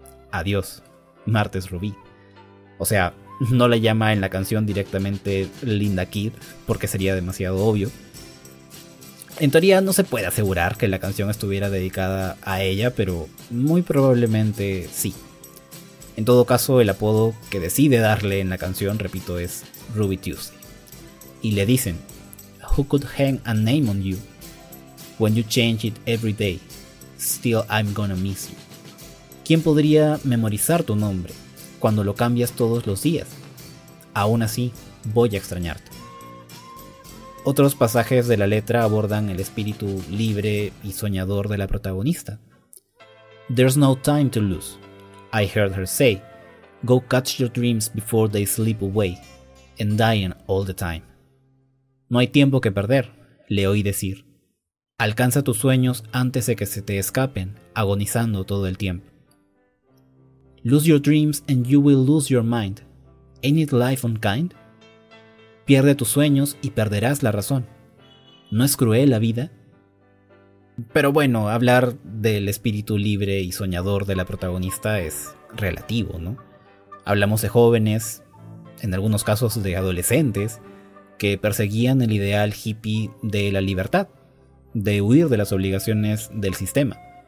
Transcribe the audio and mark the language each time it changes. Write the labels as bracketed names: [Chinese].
[Spanish] Adiós, Martes Rubí. O sea, no la llama en la canción directamente Linda Keith, porque sería demasiado obvio. En teoría no se puede asegurar que la canción estuviera dedicada a ella, pero muy probablemente sí. En todo caso, el apodo que decide darle en la canción, repito, es Ruby Tuesday. Y le dicen: [English] "Who could hang a name on you when you change it every day? Still I'm gonna miss you." [Spanish] ¿Quién podría memorizar tu nombre cuando lo cambias todos los días? Aún así, voy a extrañarte. Otros pasajes de la letra abordan el espíritu libre y soñador de la protagonista. [English] "There's no time to lose, I heard her say. Go catch your dreams before they slip away, and dying all the time." [Spanish] No hay tiempo que perder, le oí decir. Alcanza tus sueños antes de que se te escapen, agonizando todo el tiempo. [English] "Lose your dreams and you will lose your mind. Ain't it life unkind?" [Spanish] Pierde tus sueños y perderás la razón. ¿No es cruel la vida? Pero bueno, hablar del espíritu libre y soñador de la protagonista es relativo, ¿no? Hablamos de jóvenes, en algunos casos de adolescentes, que perseguían el ideal hippie de la libertad, de huir de las obligaciones del sistema.